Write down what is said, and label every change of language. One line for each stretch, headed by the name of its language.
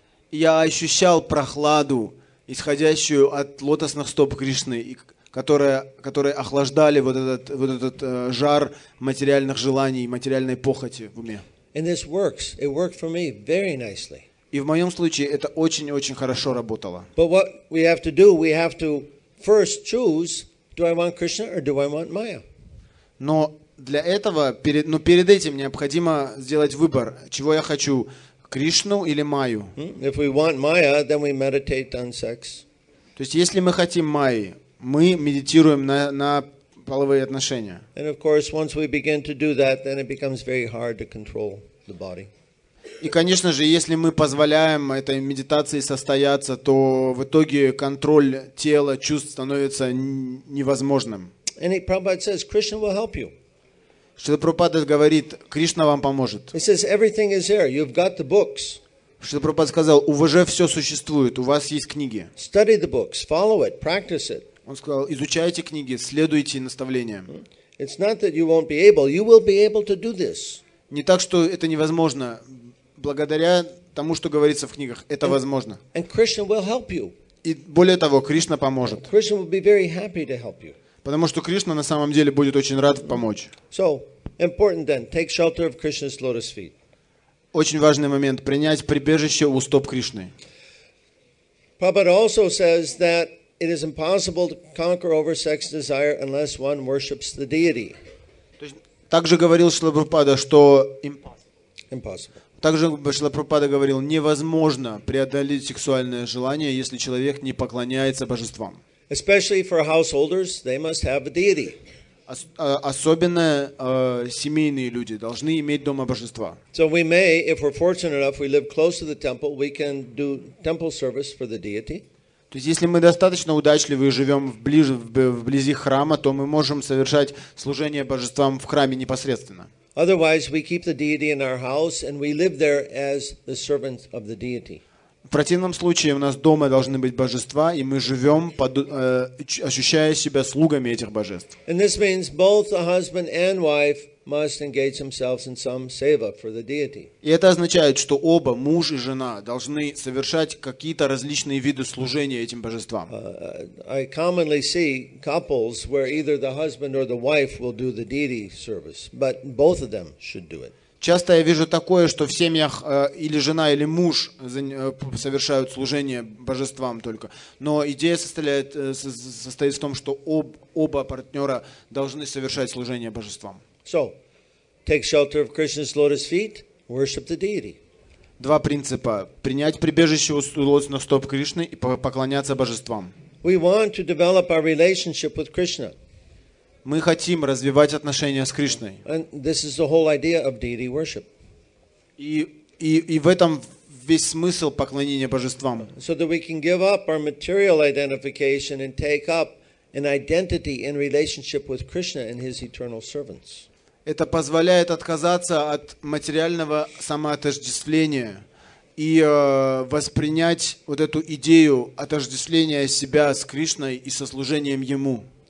Russian: Я ощущал прохладу, исходящую от лотосных стоп Кришны, которые охлаждали вот этот жар материальных желаний, материальной похоти в уме.
English: And this works. It worked for me very nicely.
Russian: И в моем случае это очень-очень хорошо работало.
English: But what we have to do, we have to first choose, do I want Krishna or do I want Maya?
Russian: Но для этого, перед этим необходимо сделать выбор, чего я хочу, Кришну или Майю.
English: If we want Maya, then we meditate on sex.
Russian: То есть, если мы хотим Майи, мы медитируем на половые отношения.
English: And of course, once we begin to do that, then it becomes very hard to control the body.
Russian: И, конечно же, если мы позволяем этой медитации состояться, то в итоге контроль тела, чувств становится невозможным.
English: And Prabhupada says, Krishna will help you.
Russian: Шрила Прабхупада говорит, Кришна вам поможет.
English: He says, everything is there. You've got the books.
Russian: Шрила Прабхупада сказал, у вас же все существует, у вас есть книги.
English: Study the books, follow it, practice it.
Russian: Он сказал, изучайте книги, следуйте наставлениям.
English: It's not that you won't be able, you will be able to do this.
Russian: Не так, что это невозможно. Благодаря тому, что говорится в книгах, это возможно.
English: And Krishna will help you.
Russian: И более того, Кришна поможет.
English: Krishna will be very happy to help you.
Russian: Потому что Кришна на самом деле будет очень рад помочь.
English: So, important then, take shelter of Krishna's lotus feet.
Russian: Очень важный момент. Принять прибежище у стоп Кришны.
English: Prabhupada also says that it is impossible to conquer over sex desire unless one worships the deity.
Russian: Также говорил Шрила Прабхупада, что...
English: Impossible.
Russian: Также Шрила Прабхупада говорил, невозможно преодолеть сексуальное желание, если человек не поклоняется божествам.
English: Especially for householders, they must have a deity.
Russian: Особенно семейные люди должны иметь дома божества.
English: So we may, if we're fortunate enough, we live close to the temple, we can do temple service for the deity.
Russian: То есть, если мы достаточно удачливы и живем вблизи храма, то мы можем совершать служение божествам в храме непосредственно.
English: Otherwise, we keep the deity in our house and we live there as the servants of the deity.
Russian: В противном случае у нас дома должны быть божества, и мы живем, ощущая себя слугами этих божеств.
English: And this means both the husband and wife must engage themselves in some seva for the deity.
Russian: И это означает, что оба, муж и жена, должны совершать какие-то различные виды служения этим божествам.
English: I commonly see couples where either the husband or the wife will do the deity service, but both of them should do it.
Russian: Часто я вижу такое, что в семьях или жена, или муж совершают служение божествам только. Но идея состоит в том, что оба партнера должны совершать служение божествам.
English: So, take shelter of Krishna's lotus feet, worship the deity.
Russian: Два принципа. Принять прибежище у лотосных стоп Кришны и поклоняться божествам.
English: We want to develop our relationship with Krishna.
Russian: Мы хотим развивать отношения с Кришной.
English: And this is the whole idea of deity worship.
Russian: И в этом весь смысл поклонения божествам.
English: So that we can give up our material identification and take up an identity in relationship with Krishna and his eternal servants.
Russian: Это позволяет отказаться от материального самоотождествления и воспринять вот эту идею отождествления себя с Кришной и со служением Ему.